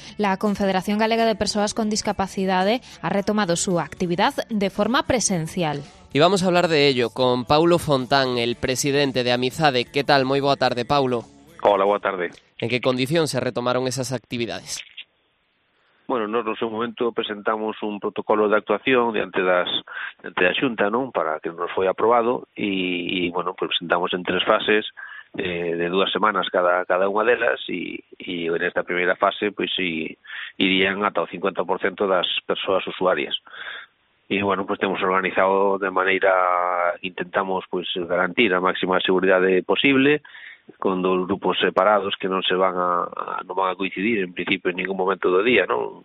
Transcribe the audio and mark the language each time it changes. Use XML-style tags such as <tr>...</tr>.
<es>La Confederación Galega de Persoas con Discapacidade ha retomado su actividad de forma presencial. Y vamos a hablar de ello con Paulo Fontán, el presidente de Amizade. ¿Qué tal? Muy boa tarde, Paulo.</es> <gl>Hola, boa tarde.</gl> <es>¿En qué condición se retomaron esas actividades?</es> <gl>Bueno, nós no seu momento presentamos un protocolo de actuación diante da Xunta, non, para que nos foi aprobado e bueno, pues presentamos en 3 fases de 2 semanas cada unha delas e nesta primeira fase pois pues, irían ata o 50% das persoas usuarias. E bueno, pois pues, temos organizado de maneira intentamos pois pues, garantir a máxima seguridade posible con 2 grupos separados que non se van a coincidir en principio en ningún momento do día, non?</gl>